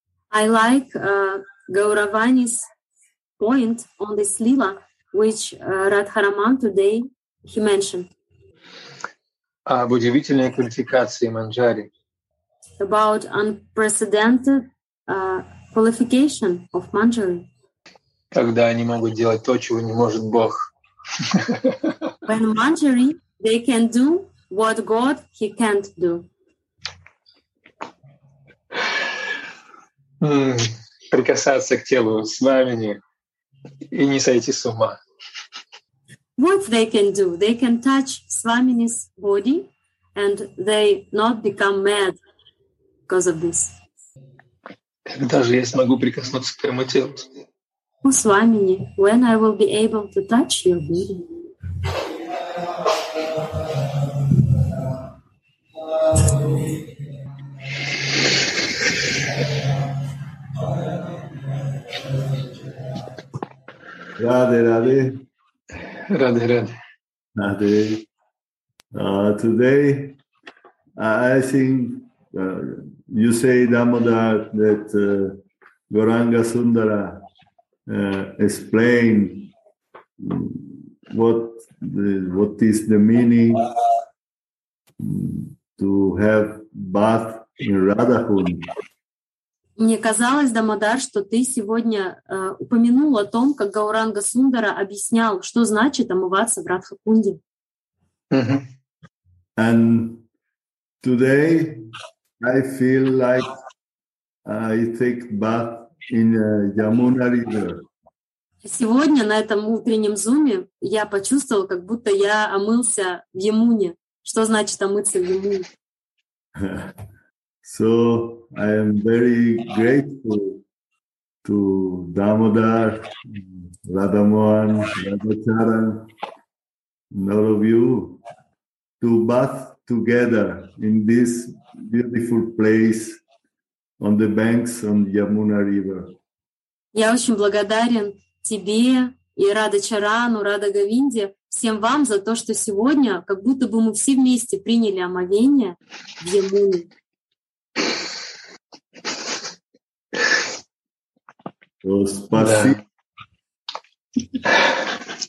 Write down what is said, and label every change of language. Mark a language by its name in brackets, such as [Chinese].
[English] I like Gauravani's point on this lila, which Radharaman today he mentioned. [Russian] Об удивительной квалификации Манджари. [English] About unprecedented qualification of Manjari. [Russian] Когда они могут делать то, чего не может Бог. [English] When Manjari, they can do what God, he can't do. [Russian] Прикасаться к телу с вами и не сойти с ума. [English] What they can do? They can touch Swamini's body and they not become mad because of this. [Russian] Даже я смогу прикоснуться к твоему телу. О, Свамини, [English] when I will be able to touch your body? Rade, rade. Rade, rade. Rade. Today, I think you say, Damodar, that Gauranga Sundara explained what is the meaning to have bath in Radhahood. [Russian] Мне казалось, Дамодар, что ты сегодня упомянул о том, как Гауранга Сундара объяснял, что значит омываться в Радхакунде. [English] Uh-huh. And today I feel like I take bath in Yamuna River. [Russian] Сегодня на этом утреннем зуме я почувствовал, как будто я омылся в Ямуне. Что значит омыться в Ямуне? [English] So I am very grateful to Damodar, Radhamohan, Radhacharan, and all of you to bathe together in this beautiful place on the banks of Yamuna River. [Russian] Я очень благодарен тебе и Радхачарану, Радхагавинде, всем вам за то, что сегодня как будто бы мы все вместе приняли омовение в Ямуне. О, спасибо. Да.